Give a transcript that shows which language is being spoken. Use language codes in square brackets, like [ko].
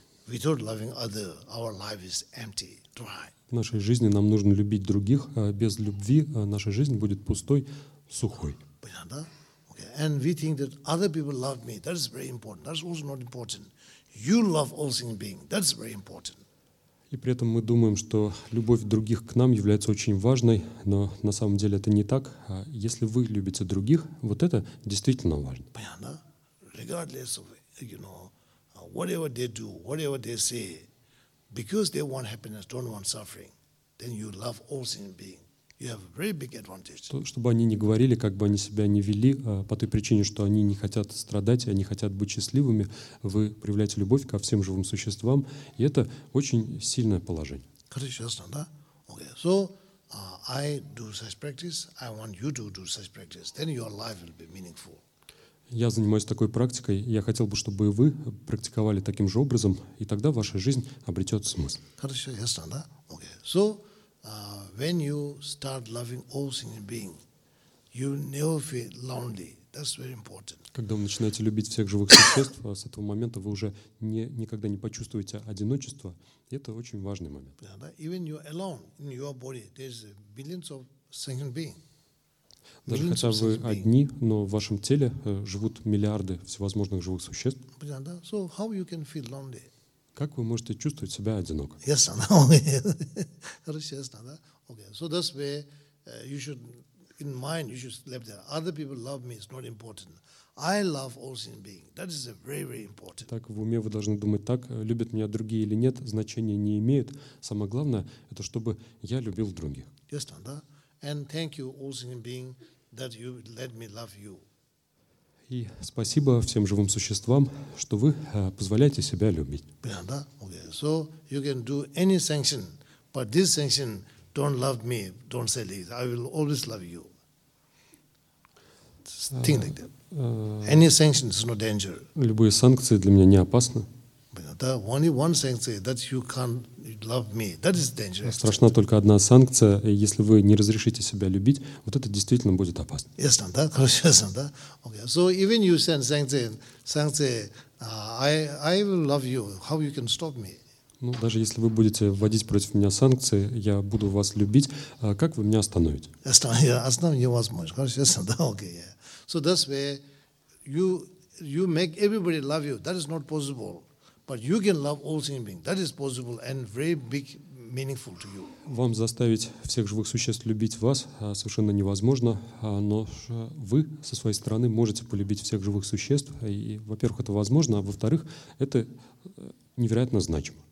[en] Without loving other, our life is empty, dry. [ru] В нашей жизни нам нужно любить других. Без любви наша жизнь будет пустой, сухой. Понятно, да? [en] Okay. And we think that other people love me. That is very important. That's also not important. You love all sentient beings. That's very important. [ru] И при этом мы думаем, что любовь других к нам является очень важной, но на самом деле это не так. Если вы любите других, вот это действительно важно. Понятно, да? [en] Regardless of, you know, whatever they do, whatever they say, because they want happiness, don't want suffering, then you love all sentient beings. You have a very big advantage. [ru] Чтобы они не говорили, как бы они себя не вели, по той причине, что они не хотят страдать, они хотят быть счастливыми, вы проявляете любовь ко всем живым существам, и это очень сильное положение. Хорошо, ясно, да? [en] Okay. So, I do such practice, I want you to do such practice, then your life will be meaningful. [ru] Я занимаюсь такой практикой, я хотел бы, чтобы вы практиковали таким же образом, и тогда ваша жизнь обретет смысл. Хорошо, ясно, да? [en] Okay. So, when you start loving all sentient beings, you never feel lonely. That's very important. [ru] Когда вы начинаете любить всех живых существ, с этого момента вы уже никогда не почувствуете одиночество. Это очень важный момент. [en] Yeah, [ru] да? [en] Even you're alone in your body, there's billions of sentient beings. [ru] Даже хотя вы одни, но в вашем теле живут миллиарды всевозможных живых существ. [en] So how you can feel lonely? [ru] Как вы можете чувствовать себя одиноко? [en] Yes, I know. [ru] Хорошо, ясно, да? [en] Okay. So that's why you should, in mind, you should live there. Other people love me, it's not important. I love all sin being. That is a very, very important. [ru] Так, в уме вы должны думать так, любят меня другие или нет, значения не имеют. Самое главное, это чтобы я любил других. [en] Just on that. And thank you, all sin being, that you let me love you. [ru] И спасибо всем живым существам, что вы позволяете себя любить. [en] Okay. So you can do any sanction, but this sanction don't love me, don't say this. I will always love you. Think like that. Any sanction is no danger. [ru] Любые санкции для меня не опасны. [en] Only one sanction that you can't love me. That is dangerous. [ru] Страшна только одна санкция, если вы не разрешите себя любить, вот это действительно будет опасно. [en] Yes, [ru] да, конечно, да. [en] Okay. So even you send sanction, I will love you. How you can stop me? [ru] Ну, даже если вы будете вводить против меня санкции, я буду вас любить. Как вы меня остановите? Остановить невозможно. Конечно, да. [en] Okay. So that's where you make everybody love you. That is not possible. But you can love all sin beings. That is possible and very big meaningful to you. [ru] Вам заставить всех живых существ любить вас совершенно невозможно, но вы со своей стороны можете полюбить всех живых существ. И, во-первых, это возможно, а во-вторых, это невероятно значимо.